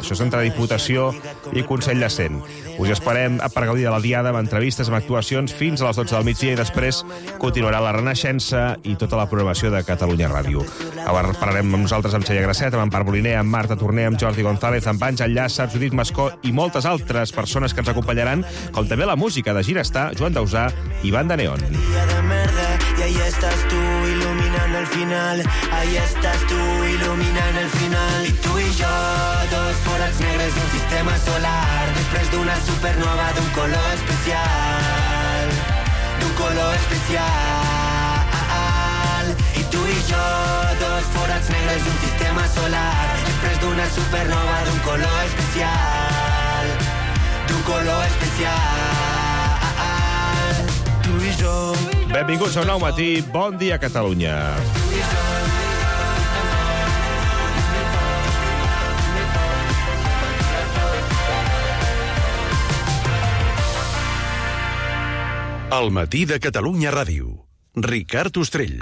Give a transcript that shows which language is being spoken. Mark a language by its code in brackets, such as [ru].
[ca] Això és entre Diputació i Consell de Cent. Us esperem per gaudir de la diada amb entrevistes, amb actuacions, fins a les 12 del migdia, i després continuarà la Renaixença i tota la programació de Catalunya Ràdio. Ara parlarem amb nosaltres amb Xella Grasset, amb Ampar Boliner, amb Marta Torné, amb Jordi González, amb Àngel Llàcer, Judit Mascó i moltes altres persones que ens acompanyaran, com també la música de Girastà, Joan Dausà i Banda Neon. [es] Ahí estás tú iluminando el final, ahí estás tú iluminando el final. Y tú y yo, [ca] dos forats negres [es] de un sistema solar, después de una supernova de un color especial, de un color especial. Y tú y yo, [ca] dos forats negres [es] de un sistema solar, después de una supernova de un color especial, de un color especial. Tú y yo. [ca] Benvinguts a un nou matí. Bon dia, Catalunya. El matí de Catalunya Ràdio. Ricard Ostrell.